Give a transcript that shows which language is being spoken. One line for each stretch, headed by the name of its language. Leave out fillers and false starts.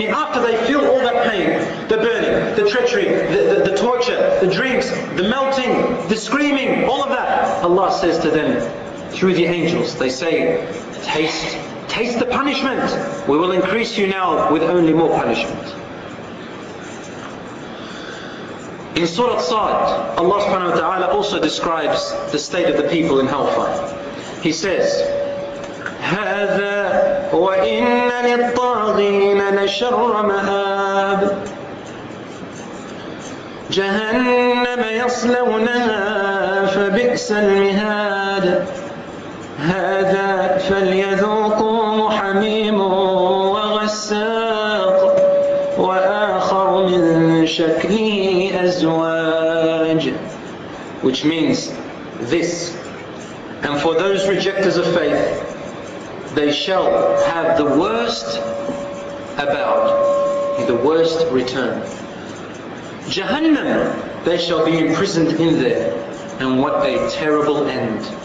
English: And after they feel all that pain, the burning, the treachery, the torture, the drinks, the melting, the screaming, all of that, Allah says to them, through the angels, they say, taste the punishment. We will increase you now with only more punishment. In Surah Sa'd, Allah subhanahu wa ta'ala also describes the state of the people in hellfire. He says,
Arabic: هَذَا وَإِنَّ لِلطَّاغِينَ لَشَرَّ مَهَابٍ جَهَنَّمَ يَصْلَوْنَهَا فَبِئْسَ الْمِهَادَ هَذَا فَلْيَذُوقُوا حَمِيمٌ وَغَسَّاقٌ وَآخَرُ مِنْ شَكْلِهِ أَزْوَاجٌ,
English: which means this, And for those rejectors of faith, they shall have the worst about, the worst return. Jahannam, they shall be imprisoned in there, and what a terrible end.